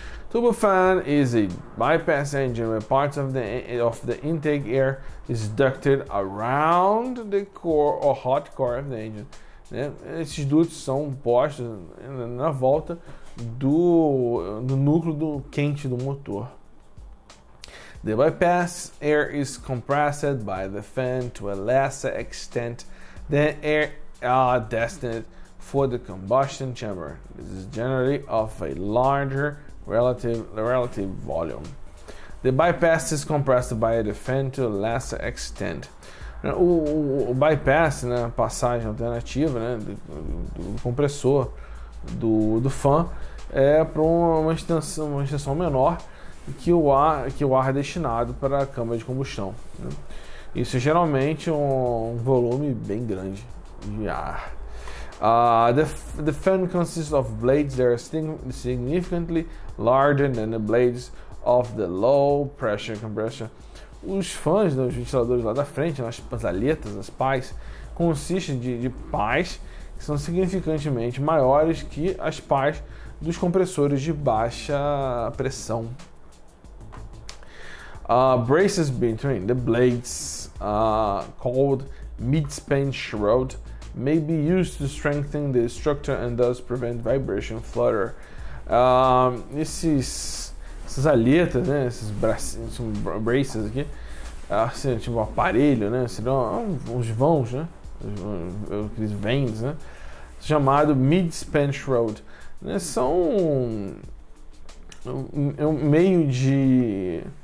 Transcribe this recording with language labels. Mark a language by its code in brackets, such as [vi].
[en] Turbofan is a bypass engine where parts of the intake air is ducted around the core or hot core of the engine. [pt] Né? Esses dutos são postos na volta do núcleo do quente do motor. [en] The bypass air is compressed by the fan to a lesser extent than air destined for the combustion chamber. This is generally of a larger relative volume. The bypass is compressed by a fan to a lesser extent. [pt] O bypass, né, passagem alternativa, né, do compressor do fan, é para uma extensão menor que o ar é destinado para a câmara de combustão, né? Isso é geralmente um volume bem grande de ar. [en] The fan consists of blades that are significantly larger than the blades of the low pressure compressor. [pt] Os fãs dos ventiladores lá da frente, as aletas, as pás, consistem de pás que são significantemente maiores que as pás dos compressores de baixa pressão. [en] Braces between the blades, called mid-span shroud, may be used to strengthen the structure and thus prevent vibration flutter. [pt] Essas aletas, né, esses braces aqui, assim, tipo um aparelho, né, uns vãos, né, aqueles vanes, né, chamado mid-span shroud, né, são um meio de...